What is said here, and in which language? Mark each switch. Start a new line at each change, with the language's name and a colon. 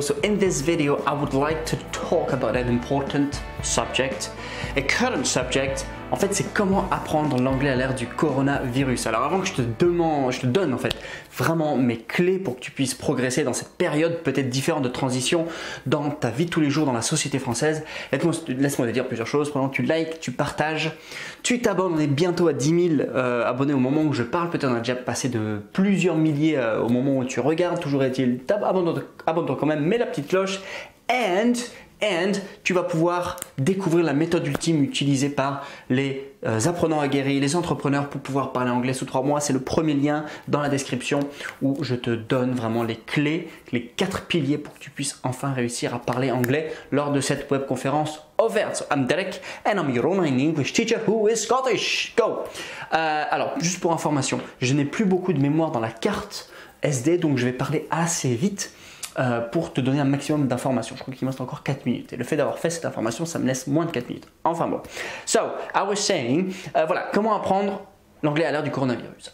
English: So in this video, I would like to talk about an important subject, a current subject.
French: En fait, c'est comment apprendre l'anglais à l'ère du coronavirus. Alors avant que je te donne en fait vraiment mes clés pour que tu puisses progresser dans cette période peut-être différente de transition dans ta vie de tous les jours, dans la société française, laisse-moi te dire plusieurs choses. Pendant que tu likes, tu partages, tu t'abonnes, on est bientôt à 10 000 abonnés au moment où je parle. Peut-être on a déjà passé de plusieurs milliers au moment où tu regardes. Toujours est-il, abonne-toi quand même, mets la petite cloche et tu vas pouvoir découvrir la méthode ultime utilisée par les apprenants aguerris, les entrepreneurs pour pouvoir parler anglais sous 3 mois. C'est le premier lien dans la description où je te donne vraiment les clés, les 4 piliers pour que tu puisses enfin réussir à parler anglais lors de cette webconférence offerte.
English: So I'm Derek and I'm your online English teacher who is Scottish. Go!
French: Alors, juste pour information, je n'ai plus beaucoup de mémoire dans la carte SD, donc je vais parler assez vite. Pour te donner un maximum d'informations. Je crois qu'il me reste encore 4 minutes. Et le fait d'avoir fait cette information, ça me laisse moins de 4 minutes. Enfin bon.
English: So, I was saying,
French: voilà, comment apprendre l'anglais à l'ère du coronavirus.